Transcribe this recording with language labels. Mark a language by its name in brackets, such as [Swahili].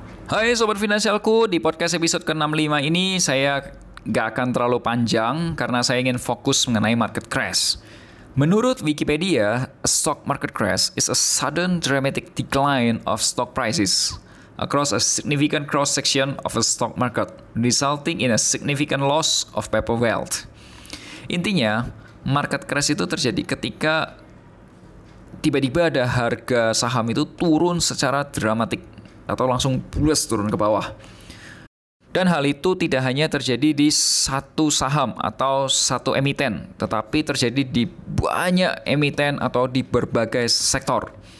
[Indonesian] Hai Sobat Finansialku, di podcast episode ke-65 ini saya gak akan terlalu panjang karena saya ingin fokus mengenai market crash. [English] Menurut Wikipedia, a stock market crash is a sudden dramatic decline of stock prices across a significant cross-section of a stock market, resulting in a significant loss of paper wealth. [Indonesian] Intinya, market crash itu terjadi ketika tiba-tiba ada harga saham itu turun secara dramatik atau langsung bulus turun ke bawah. Dan hal itu tidak hanya terjadi di satu saham atau satu emiten, tetapi terjadi di banyak emiten atau di berbagai sektor.